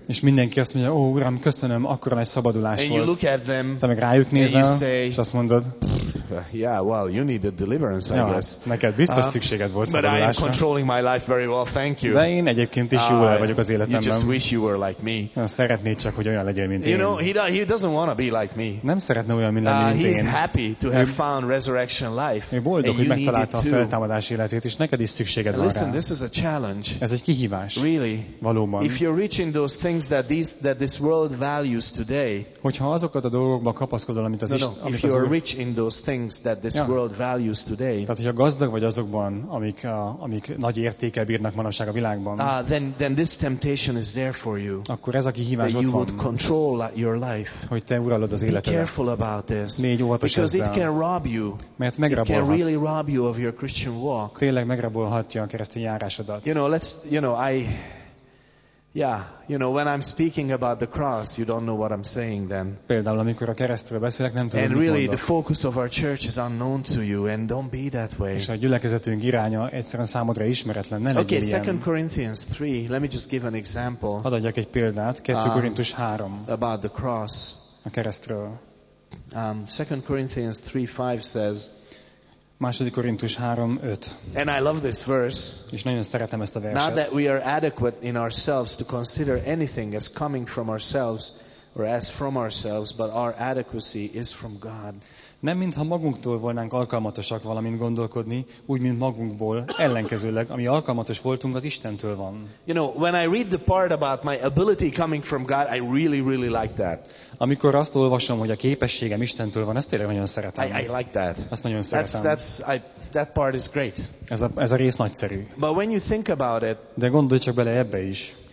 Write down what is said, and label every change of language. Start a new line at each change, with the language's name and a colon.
Hungarian: És mindenki azt mondja, "Ó, Uram, köszönöm, akkor nagy szabadulás
English: and
Hungarian: volt."
English: And you look at them.
Hungarian: Te meg rájuk nézel.
English: Say,
Hungarian: és azt mondod,
English: yeah, well, you need a deliverance, I guess.
Hungarian: Neked biztos szükséged volt szabadulásra.
English: But I am controlling my life very well, thank you.
Hungarian: De én egyébként is jól el vagyok az életemben.
English: You just wish you were like me.
Hungarian: Szeretnéd csak, hogy olyan legyél, mint
English: you
Hungarian: én.
English: You know, he doesn't want to be like me.
Hungarian: Nem szeretne olyan, mint én.
English: He is happy to have found resurrection life.
Hungarian: Ő boldog, hogy megtalálta a feltámadás életét, és neked is szükséged van rá.
English: Listen, this is a challenge.
Hungarian: Ez egy kihívás.
English: Really.
Hungarian: Valóban.
English: If you're reaching those things that this world values today.
Hungarian: Hogyha azokat a dolgokba kapaszkodol, amit az
English: if you are rich in those things that this world values today.
Hungarian: Tehát, hogyha gazdag vagy azokban, amik nagy értékkel bírnak manapság a világban.
English: Then this temptation is there for you.
Hungarian: Akkor ez a kihívás ott van.
English: You would control your life.
Hungarian: Hogy te uralod az életedet.
English: Be careful about this.
Hungarian: Négy óvatos ezzel.
English: Because it can rob you.
Hungarian: Mert megrabolhat.
English: It can really rob you of your Christian walk.
Hungarian: Tényleg megrabolhatja a keresztény járásodat.
English: When I'm speaking about the cross, you don't know what I'm saying then.
Hungarian: Például, amikor a keresztről beszélek, nem tudom,
English: and really, the focus of our church is unknown to you, and don't be that way.
Hungarian: És a gyülekezetünk iránya egyszerűen számodra ismeretlen. Ne legyél
English: okay,
Hungarian: ilyen.
English: 2 Corinthians 3, let me just give an example.
Hungarian: Hadd adjak egy példát, 2 Korintus 3.
English: About the cross.
Hungarian: A keresztről.
English: 2 Corinthians 3:5 says,
Hungarian: második Korintus 3:5.
English: And I love this verse.
Hungarian: És nagyon szeretem ezt a verset.
English: Not that we are adequate in ourselves to consider anything as coming from ourselves or as from ourselves, but our adequacy is from God.
Hungarian: Nem mintha magunktól volnánk alkalmatosak valamint gondolkodni, úgy mint magunkból, ellenkezőleg, ami alkalmatos voltunk, az Istentől van.
English: You know, when I read the part about my ability coming from God, I really, really like that.
Hungarian: Amikor azt olvasom, hogy a képességem Istentől van, ezt tényleg nagyon szeretem.
English: I like that.
Hungarian: Azt nagyon szeretem.
English: That part is great.
Hungarian: Ez a rész nagyszerű.
English: But when you think about it,
Hungarian: de gondolj csak bele ebbe is.